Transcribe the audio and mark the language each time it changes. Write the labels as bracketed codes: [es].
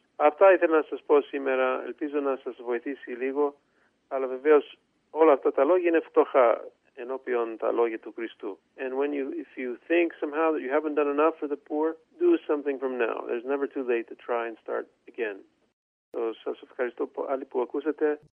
[el] Αυτά ήθελα να σας πω σήμερα. Ελπίζω να σας βοηθήσει λίγο, αλλά βεβαίως όλα αυτά τα λόγια είναι φτωχά. [en] And when you, if you think somehow that you haven't done enough for the poor, do something from now. There's never too late to try and start again. [el] So, σας ευχαριστώ πολύ που ακούσατε.